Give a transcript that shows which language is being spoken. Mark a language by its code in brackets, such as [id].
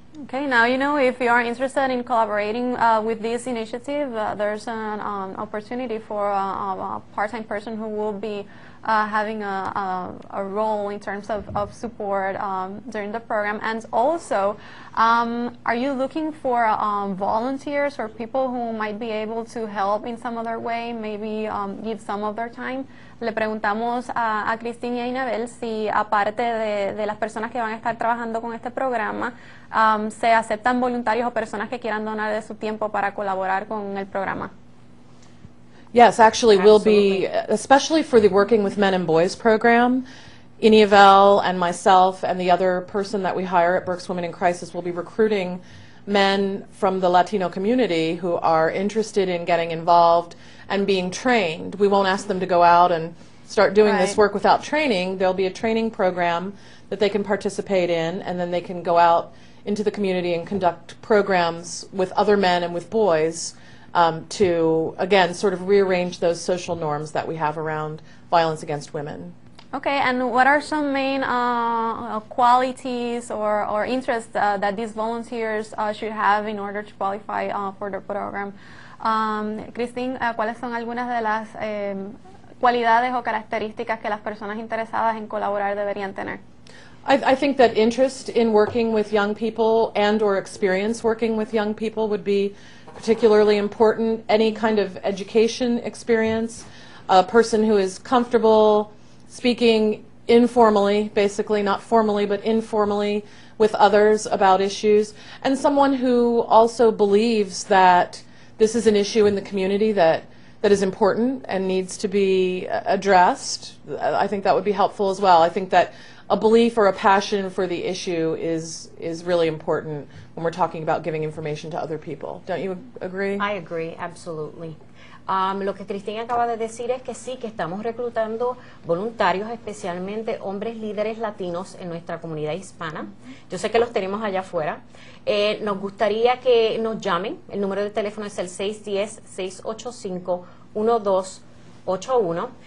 [en] Okay, now you know if you are interested in collaborating with this initiative, there's an opportunity for a part-time person who will be having a role in terms of support during the program. And also, are you looking for volunteers or people who might be able to help in some other way, maybe give some of their time? [es] Le preguntamos a Christine y a Ineabel si, aparte de las personas que van a estar trabajando con este programa, se aceptan voluntarios o personas que quieran donar de su tiempo para colaborar con el programa. [en] Yes, actually, absolutely. We'll be, especially for the Working with Men and Boys program, Ineabel and myself and the other person that we hire at Berks Women in Crisis will be recruiting men from the Latino community who are interested in getting involved and being trained. We won't ask them to go out and start doing right. this work without training. There'll be a training program that they can participate in, and then they can go out into the community and conduct programs with other men and with boys to, again, sort of rearrange those social norms that we have around violence against women. Okay, and what are some main qualities or interests that these volunteers should have in order to qualify for the program? [es] Christine, ¿cuáles son algunas de las cualidades o características que las personas interesadas en colaborar deberían tener? [en] I think that interest in working with young people and or experience working with young people would be particularly important, any kind of education experience, a person who is comfortable speaking informally, basically not formally but informally, with others about issues, and someone who also believes that this is an issue in the community that is important and needs to be addressed. I think that would be helpful as well. I think that a belief or a passion for the issue is really important when we're talking about giving information to other people. Don't you agree? I agree, absolutely. [es] Lo que Cristina acaba de decir es que sí, que estamos reclutando voluntarios, especialmente hombres líderes latinos en nuestra comunidad hispana. Yo sé que los tenemos allá afuera. Nos gustaría que nos llamen. El número de teléfono es el 610-685-1281.